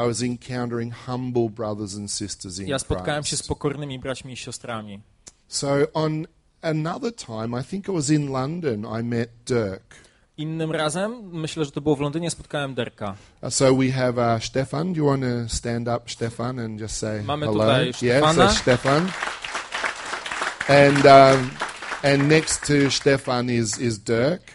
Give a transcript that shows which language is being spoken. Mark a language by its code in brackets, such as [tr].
[en] I was encountering humble brothers and sisters in Christ. [pl] Ja spotkałem się z pokornymi braćmi i siostrami. [en] So on another time, I think it was in London, I met Dirk. [pl] Innym razem, myślę, że to było w Londynie, spotkałem Dirka. [en] So we have Stefan. Do you want to stand up, Stefan, and just say [pl] mamy [en] hello? [pl] Mamy tutaj Stefana. [en] Yes, Stefan. And and next to Stefan is Dirk.